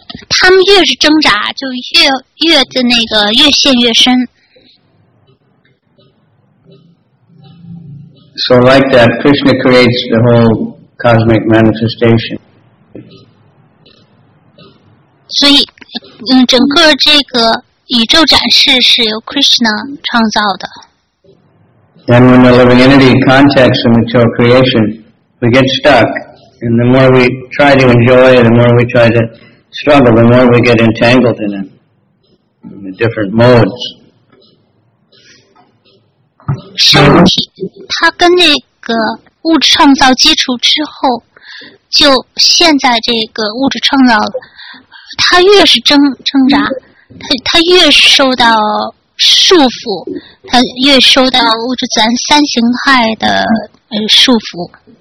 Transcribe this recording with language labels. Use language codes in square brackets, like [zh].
[zh] 他们越是挣扎，就越的那个越陷越深。 [en] So like that, Krishna creates the whole cosmic manifestation. [zh] 所以，整个这个宇宙展示是由 Krishna 创造的。 [en] Then when the living entity contacts the material creation, we get stuck. And the more we try to enjoy, the more we try to struggle, the more we get entangled in it, in the different modes. [zh] 身体它跟那个物质创造接触之后，就现在这个物质创造它越是挣扎 它越受到束缚，它越受到物质自然三形态的束缚。